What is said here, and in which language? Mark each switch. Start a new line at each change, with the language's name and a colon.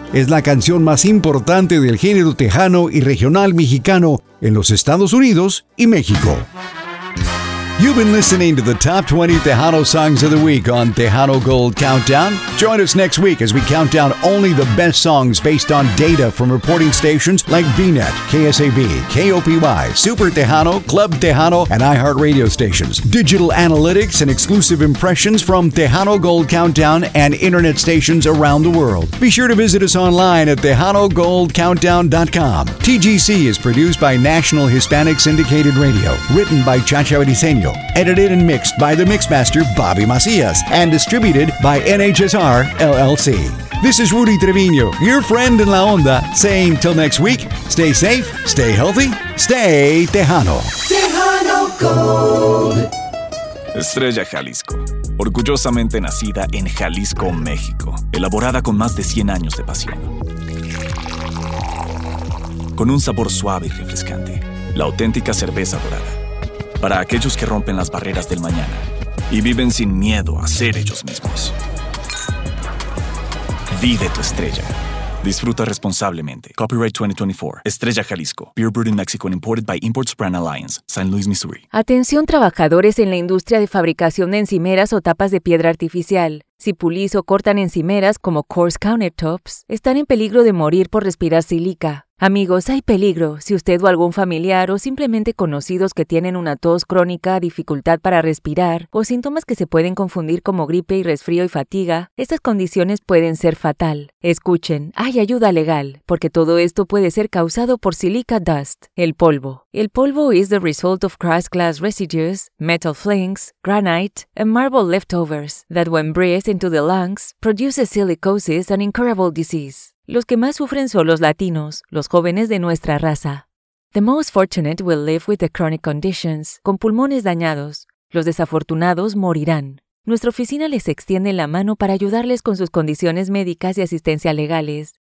Spanish: Es la canción más importante del género tejano y regional mexicano en los Estados Unidos y México.
English: You've been listening to the Top 20 Tejano Songs of the Week on Tejano Gold Countdown. Join us next week as we count down only the best songs based on data from reporting stations like VNet, KSAB, KOPY, Super Tejano, Club Tejano, and iHeartRadio stations. Digital analytics and exclusive impressions from Tejano Gold Countdown and internet stations around the world. Be sure to visit us online at TejanoGoldCountdown.com. TGC is produced by National Hispanic Syndicated Radio, written by Chacha Ediseño, edited and mixed by the mixmaster Bobby Macias, and distributed by NHSR LLC. This is Rudy Treviño, your friend in La Onda, saying till next week, stay safe, stay healthy, stay Tejano. Tejano Gold.
Spanish: Estrella Jalisco, orgullosamente nacida en Jalisco, México, elaborada con más de 100 años de pasión. Con un sabor suave y refrescante, la auténtica cerveza dorada. Para aquellos que rompen las barreras del mañana y viven sin miedo a ser ellos mismos. Vive tu estrella. Disfruta responsablemente. Copyright 2024. Estrella Jalisco.
English: Beer brewed in Mexico and imported by Imports Brand Alliance. San Luis, Missouri.
Spanish: Atención trabajadores en la industria de fabricación de encimeras o tapas de piedra artificial. Si pulís o cortan encimeras como coarse countertops, están en peligro de morir por respirar sílica. Amigos, hay peligro. Si usted o algún familiar o simplemente conocidos que tienen una tos crónica, dificultad para respirar o síntomas que se pueden confundir como gripe y resfrío y fatiga, estas condiciones pueden ser fatal. Escuchen, hay ayuda legal, porque todo esto puede ser causado por silica dust, el polvo.
English: El polvo is the result of crushed glass residues, metal flakes, granite, and marble leftovers that when breathed into the lungs, produces silicosis and incurable disease.
Spanish: Los que más sufren son los latinos, los jóvenes de nuestra raza.
English: The most fortunate will live with the chronic conditions,
Spanish: con pulmones dañados. Los desafortunados morirán. Nuestra oficina les extiende la mano para ayudarles con sus condiciones médicas y asistencia legales.